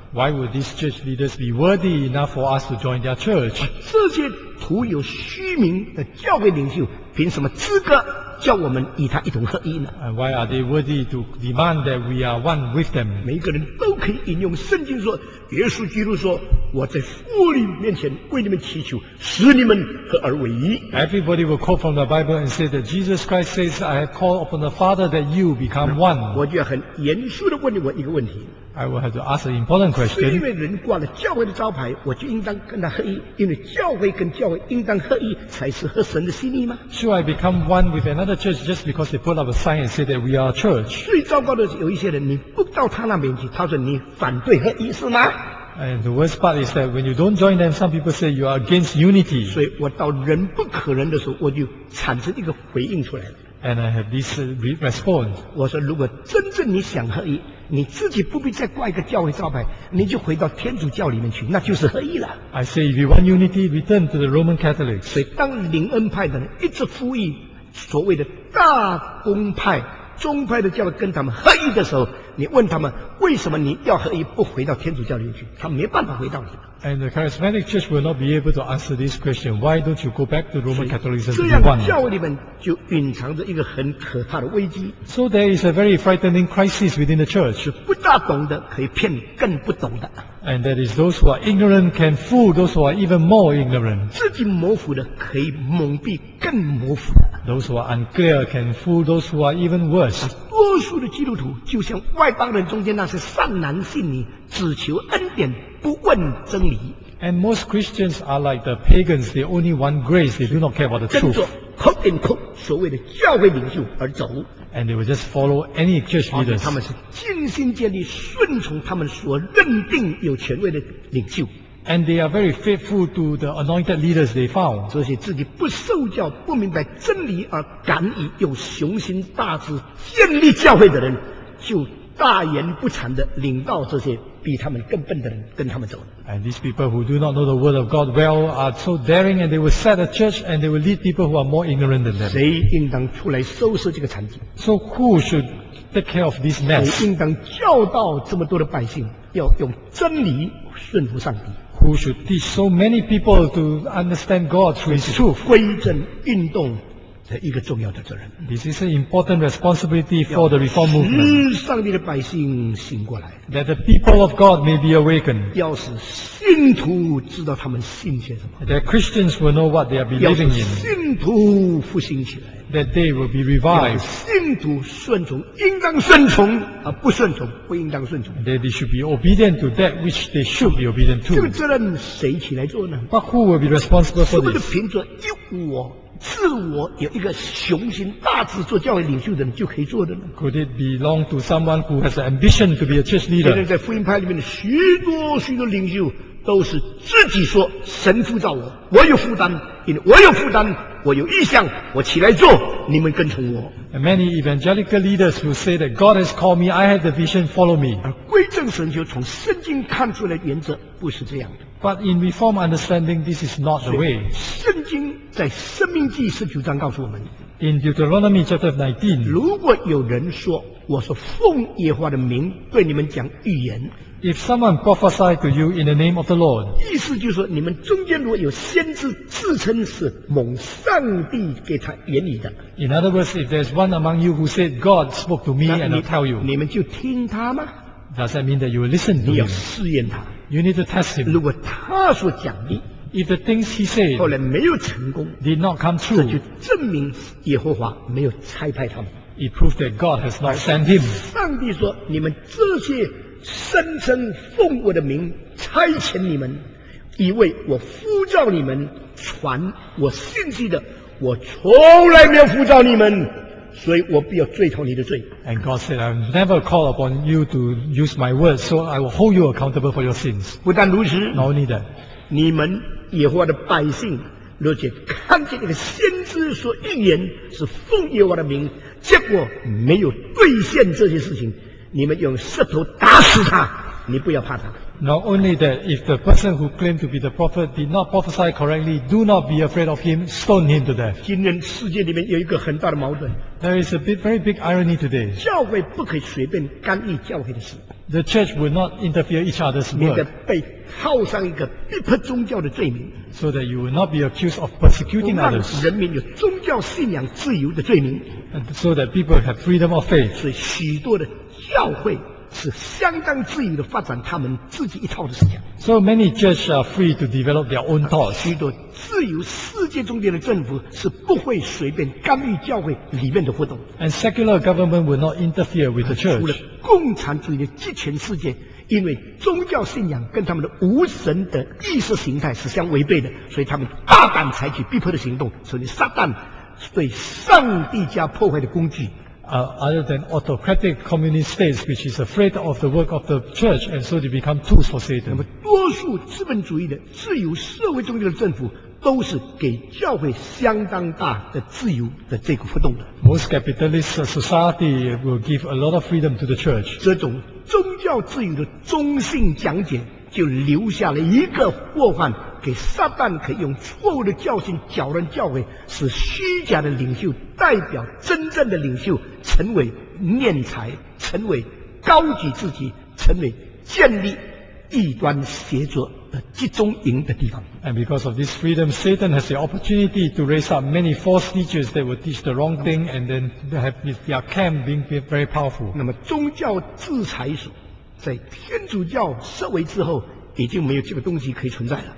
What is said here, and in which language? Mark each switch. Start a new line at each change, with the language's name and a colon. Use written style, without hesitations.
English: Why would these church leaders be worthy enough for us to join their church?
Chinese: 这些徒有虚名的教会领袖，凭什么资格叫我们与他一同合一呢？
English: And why are they worthy to demand that we are one with them?
Chinese: 每个人都可以引用圣经说，耶稣基督说，我在父面前为你们祈求，使你们合而为一。
English: Everybody will quote from the Bible and say that Jesus Christ says, I have called upon the Father that you become one.
Chinese: 我就很严肃地问你我一个问题。
English: I will have to ask an important question.
Chinese: 是因为人挂了教会的招牌，我就应当跟他合一，因为教会跟教会应当合一，才是合神的心意吗？
English: Should I become one with another church just because they put up a sign and say that we are a church?
Chinese: 最糟糕的是有一些人，你不到他那边去，他说你反对合一是吗？
English: And the worst part is that when you don't join them, some people say you are against unity.
Chinese: 所以我到人不可能的时候，我就产生一个回应出来。
English: And I have this response.
Chinese: 我说，如果真正你想合一，你自己不必再挂一个教会招牌，你就回到天主教里面去，那就是合一了。
English: I say, if you want unity, return to the Roman Catholics.
Chinese: 所以当灵恩派的人一直呼吁所谓的大公派、宗派的教会跟他们合一的时候，你问他们为什么你要合一不回到天主教里面去，他没办法回答你。
English: And the charismatic church will not be able to answer this question. Why don't you go back to Roman Catholicism?
Chinese: 这样的教会里面就隐藏着一个很可怕的危机。
English: So there is a very frightening crisis within the church.
Chinese: 不大懂的可以骗更不懂的。
English: And that is those who are ignorant can fool those who are even more ignorant.
Chinese: 自己模糊的可以蒙蔽更模糊的。
English: Those who are unclear can fool those who are even worse.
Chinese: 多数的基督徒就像外邦人中间那些善男信女，只求恩典，不问真理。
English: And most Christians are like the pagans. They only want grace. They do not care about the truth.
Chinese: 跟着
English: quote unquote
Chinese: 所谓的教会领袖而走。
English: And they will just follow any church leaders.
Chinese: 他们是尽心尽力顺从他们所认定有权威的领袖。
English: And they are very faithful to the anointed leaders they found.
Chinese: 这些自己不受教、不明白真理而敢以有雄心大志建立教会的人，就大言不惭地领导这些比他们更笨的人跟他们走。
English: And these people who do not know the word of God well are so daring, and they will set a church and they will lead people who are more ignorant than them.
Chinese: 谁应当出来收拾这个残局？
English: So who should take care of this mess?
Chinese: 谁应当教导这么多的百姓要用真理顺服上帝？
English: Who should teach so many people to understand God through His truth?
Chinese: 归正运动这一个重要的责任。
English: This is an important responsibility for the reform movement.
Chinese: 使上帝的百姓醒过来。
English: That the people of God may be awakened.
Chinese: 要使信徒知道他们信些什么。
English: That Christians will know what they are believing in.
Chinese: 要使信徒复兴起来。
English: That they will be revived.
Chinese: 要信徒顺从，应当顺从，而不顺从，不应当顺从。
English: That they should be obedient to that which they should be obedient to.
Chinese: 这个责任谁起来做呢？
English: But who will be responsible for this?
Chinese: 是不是凭着一我？自我有一个雄心大志做教会领袖的人就可以做的呢？
English: Could it belong to someone who has an ambition to be a church leader?
Chinese: 现在在福音派里面的许多许多领袖都是自己说神呼召我，我有负担，因为我有负担，我有意向，我起来做，你们跟从我。
English: And many evangelical leaders will say that God has called me, I have the vision, follow me.
Chinese: 而归正神就从圣经看出来的原则不是这样的。
English: But in reform understanding, this is not the way.
Chinese: 圣经在生命记十九章告诉我们。
English: In Deuteronomy chapter 19.
Chinese: 如果有人说，我是奉耶和华的名对你们讲预言。
English: If someone prophesied to you in the name of the Lord.
Chinese: 意思就是说，你们中间如果有先知自称是蒙上帝给他言语的。
English: In other words, if there's one among you who said God spoke to me and I'll tell you.
Chinese: 你们就听他吗？
English: Does that mean that you will listen to him?
Chinese: 你要试验他。
English: You need to test him.
Chinese: 如果他所讲的
English: ，If the things he said
Chinese: 后来没有成功
English: ，did not come true，
Chinese: 这就证明耶和华没有差派他们。
English: It proves that God has not sent him.
Chinese: 上帝说：“你们这些声称奉我的名差遣你们，以为我呼召你们传我信息的，我从来没有呼召你们。” 所以我必要追讨你的罪。
English: And God said, I've never called upon you to use my word, so I will hold you accountable for your sins.
Chinese: 不但如此，
English: Not only that,
Chinese: 你们耶和华的百姓，而且看见那个先知说预言是奉耶和华的名，结果没有兑现这些事情，你们用石头打死他，你不要怕他。
English: Not only that, if the person who claimed to be the prophet did not prophesy correctly, do not be afraid of him, stone him to death.
Chinese: 今天世界里面有一个很大的矛盾。
English: There is a big, very big irony today.
Chinese: 教会不可以随便干预教会的事。
English: The church will not interfere each other's work.
Chinese: 免得被套上一个逼迫宗教的罪名。
English: So that you will not be accused of persecuting others.
Chinese: 不让人民有宗教信仰自由的罪名。
English: And so that people have freedom of faith.
Chinese: 所以许多的教会是相当自由的发展他们自己一套的思想。
English: So many churches are free to develop their own thoughts.
Chinese: 许多自由世界中间的政府是不会随便干预教会里面的活动。
English: And secular government will not interfere with the church.
Chinese: 除了共产主义的集权世界，因为宗教信仰跟他们的无神的意识形态是相违背的，所以他们大胆采取逼迫的行动，所以撒旦对上帝家破坏的工具。
English: Other than autocratic communist states, which is afraid of the work of the church, and so they become tools for Satan.
Chinese: 那么，多数资本主义的自由社会中间的政府都是给教会相当大的自由的这个活动的。
English: Most capitalist society will give a lot of freedom to the church.
Chinese: 这种宗教自由的中性讲解，就留下了一个祸患。给撒旦可以用错误的教训搅乱教会，使虚假的领袖代表真正的领袖，成为敛财，成为高举自己，成为建立异端邪作的集中营的地方。
English: And because of this freedom, Satan has the opportunity to raise up many false teachers that will teach the wrong thing, and then they have their camp being very powerful.
Chinese: 那么宗教制裁所，在天主教设为之后，已经没有这个东西可以存在了。